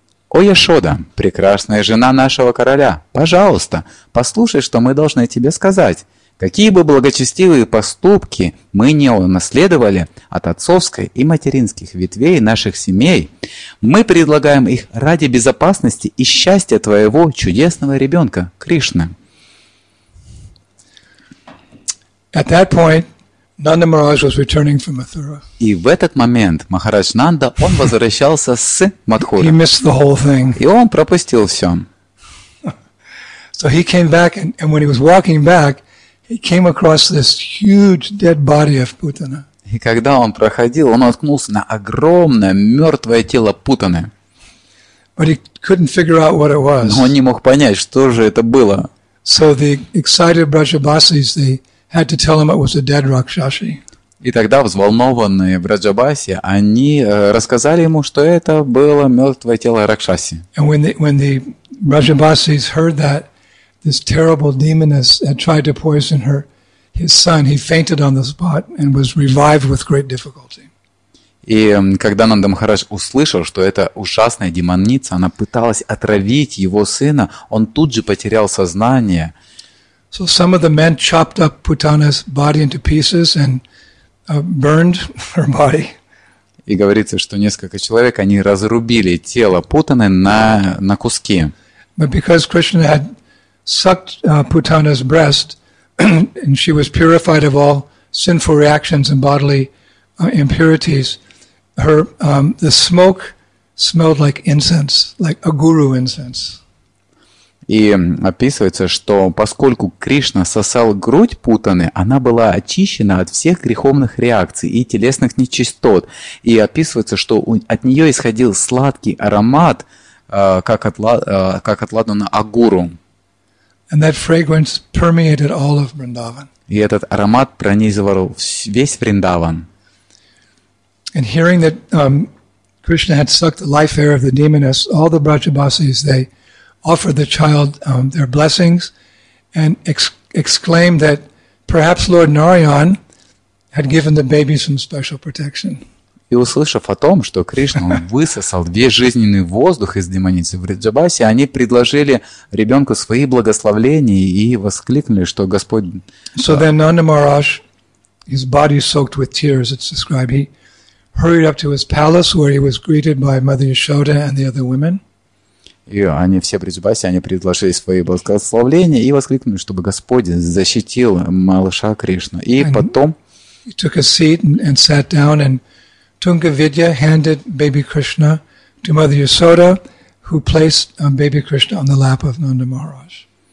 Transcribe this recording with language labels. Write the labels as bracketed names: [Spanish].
[Russian] О, Яшода, прекрасная жена нашего короля, пожалуйста, послушай, что мы должны тебе сказать. Какие бы благочестивые поступки мы не унаследовали от отцовской и материнских ветвей наших семей, мы предлагаем их ради безопасности и счастья твоего чудесного ребенка, Кришны. [English] At that point, Nanda Maharaj was returning from Mathura. [Russian] И в этот момент Махарадж Нанда, он возвращался с Матхуры. [English] He missed the whole thing. [Russian] И он пропустил все. [English] So he came back, and when he was walking back, he came across this huge dead body of Putana. [Russian] И когда он проходил, он наткнулся на огромное мертвое тело Путаны. [English] But he couldn't figure out what it was. [Russian] Но он не мог понять, что же это было. [English] So the excited Vrajabasis, they had to tell him it was a dead Rakshasi. [Russian] И тогда взволнованные Враджабаси, они рассказали ему, что это было мертвое тело Ракшаси. [English] And when the Vrajabasis heard that, this terrible demoness had tried to poison her, his son. He fainted on the spot and was revived with great difficulty. [Russian] И когда Нанда Махарадж услышал, что это ужасная демоница, она пыталась отравить его сына, он тут же потерял сознание. [English] So some of the men chopped up Putana's body into pieces and burned her body. [Russian] И говорится, что несколько человек они разрубили тело Путаны на куски. [English] But because Krishna had sucked Putana's breast and she was purified of all sinful reactions and bodily impurities, her the smoke smelled like incense, like a guru incense. [Russian] И описывается, что поскольку Кришна сосал грудь Путаны, она была очищена от всех греховных реакций и телесных нечистот, и описывается, что от нее исходил сладкий аромат, как от ладана агуру. [English] And that fragrance permeated all of Vrindavan. [Russian] И этот аромат пронизывал весь Вриндаван. [English] And hearing that Krishna had sucked the life air of the demoness, all the Vrajabasis, they offered the child their blessings and exclaimed that perhaps Lord Narayan had given the baby some special protection. [Russian] И услышав о том, что Кришна высосал весь жизненный воздух из демоницы Вриджабаси, они предложили ребенку свои благословения и воскликнули, что Господь... [English] So then Nanda Maharaj, his body soaked with tears, it's described, he hurried up to his palace, where he was greeted by Mother Yashoda and the other women. [Russian] И они все Вриджабаси, они предложили свои благословления и воскликнули, чтобы Господь защитил малыша Кришну. И потом... [English] He took a seat and sat down and Tunga Vidya handed baby Krishna to Mother Yasoda, who placed baby Krishna on the lap of Nanda Maharaj.